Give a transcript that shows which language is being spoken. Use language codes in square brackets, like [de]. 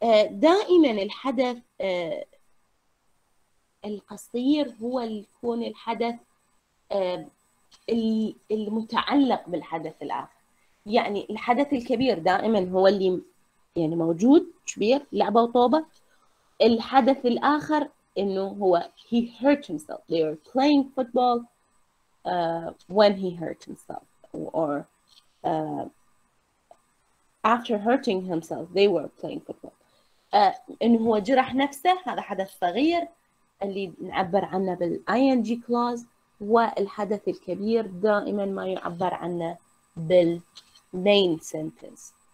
[ar] دائما الحدث القصير هو اللي يكون الحدث المتعلق بالحدث الآخر، يعني الحدث الكبير دائما هو اللي يعني موجود كبير لعبة وطوبة. الحدث الآخر إنه هو [en] he hurt himself. They were playing football when he hurt himself or after hurting himself they were playing football. [ar] إنه هو جرح نفسه، هذا حدث صغير اللي نعبر عنه بال ing clause، والحدث الكبير دائما ما يعبر عنه بال main sentence.